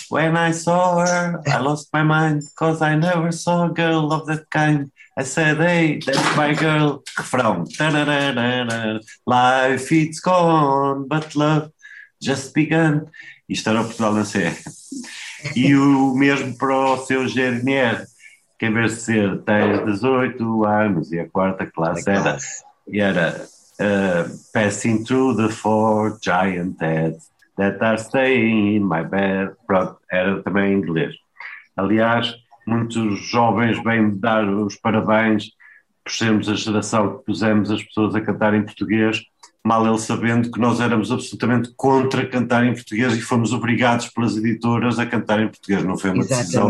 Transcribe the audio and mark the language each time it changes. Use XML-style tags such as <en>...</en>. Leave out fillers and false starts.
<en>When I saw her, I lost my mind, cause I never saw a girl of that kind. I said, hey, that's my girl. From ta-da-da-da-da. Life, it's gone, but love just begun.</en> <pt>Isto era o Portugal na CEE. E o mesmo para o seu GNR, que em vez de ser tens 18 anos e a quarta classe era...</pt> <en>passing through the four giant heads that are staying in my bed.</en> <pt>Pronto, era também em inglês. Aliás, muitos jovens vêm dar os parabéns por sermos a geração que pusemos as pessoas a cantar em português, mal ele sabendo que nós éramos absolutamente contra cantar em português e fomos obrigados pelas editoras a cantar em português, não foi uma decisão</pt>